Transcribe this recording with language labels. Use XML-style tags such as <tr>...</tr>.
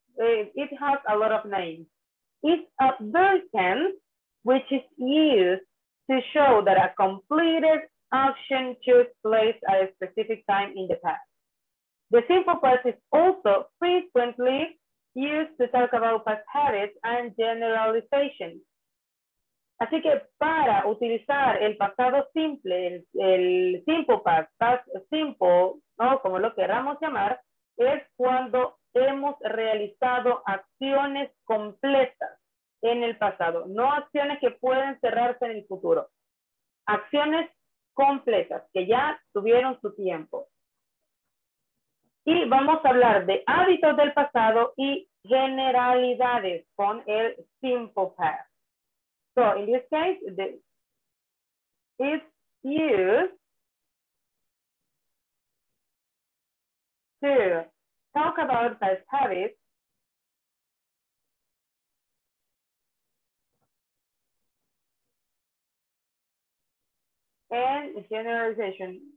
<en>It has a lot of names. It's a verb tense, which is used to show that a completed action took place at a specific time in the past. The simple past is also frequently used to talk about past habits and generalizations.</en> <es>Así que para utilizar el pasado simple, el simple past, past simple, ¿no? Como lo queramos llamar, es cuando hemos realizado acciones completas en el pasado, no acciones que pueden cerrarse en el futuro. Acciones completas que ya tuvieron su tiempo. Y vamos a hablar de hábitos del pasado y generalidades con el simple past.</es> <en>So in this case, it's used to talk about past habits and generalization.</en>